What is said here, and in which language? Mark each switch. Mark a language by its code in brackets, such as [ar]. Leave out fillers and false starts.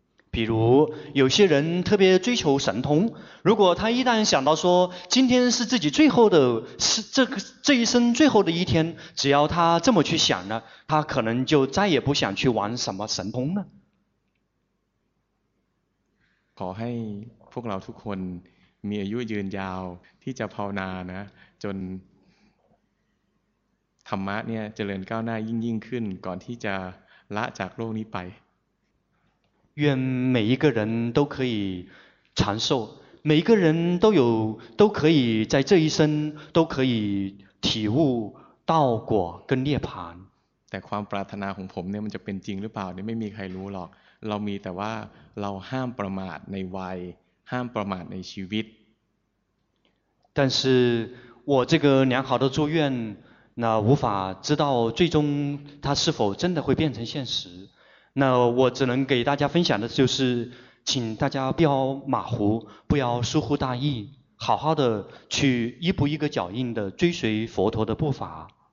[zh] 比如有些人特别追求神通，如果他一旦想到说今天是自己最后的是这一生最后的一天，只要他这么去想呢，他可能就再也不想去玩什么神通了。 [th] ขอให้พวกเราทุกคนมีอายุยืนยาวที่จะภาวนานะจนธรรมะเนี่ยเจริญก้าวหน้ายิ่งขึ้นก่อนที่จะละจากโลกนี้ไป [zh] 愿每一个人都可以长寿，每一个人都可以在这一生都可以体悟道果跟涅槃。 [th] แต่ความปรารถนาของผมเนี่ยมันจะเป็นจริงหรือเปล่าเนี่ยไม่มีใครรู้หรอกเรามีแต่ว่าเราห้ามประมาทในวัยห้ามประมาทในชีวิต [zh] 但是我这个良好的祝愿那无法知道最终它是否真的会变成现实，那我只能给大家分享的就是请大家不要马虎，不要疏忽大意，好好的去一步一个脚印的追随佛陀的步伐。